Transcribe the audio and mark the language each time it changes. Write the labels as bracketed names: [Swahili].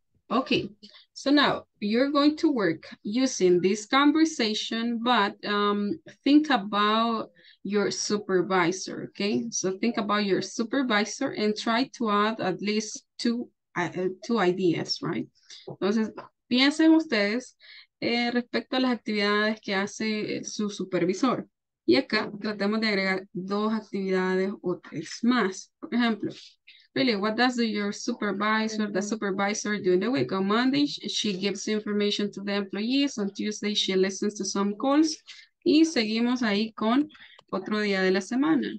[English] Okay, so now you're going to work using this conversation, but think about your supervisor, okay? So think about your supervisor and try to add at least two ideas, right? [Spanish] Entonces, piensen ustedes respecto a las actividades que hace su supervisor. Y acá tratemos de agregar dos actividades o tres más. Por ejemplo, [English] really, what does your supervisor, the supervisor do in the week? On Monday, she gives information to the employees. On Tuesday, she listens to some calls. [Spanish] Y seguimos ahí con otro día de la semana.